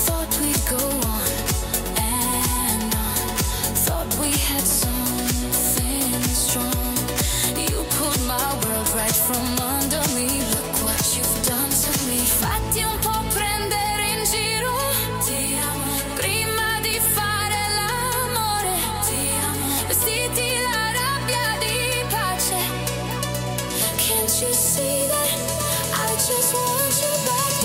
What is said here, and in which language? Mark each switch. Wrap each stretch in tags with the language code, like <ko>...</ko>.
<en>Ti go on and on. Thought we had something strong. You pulled my world right from under me. Look what you've done to me.</en> <it>Fatti un po' prendere in giro. Ti amo. Prima di fare l'amore. Ti amo. Vestiti la rabbia di pace.</it> <en>Can't you see that I just want you back?</en>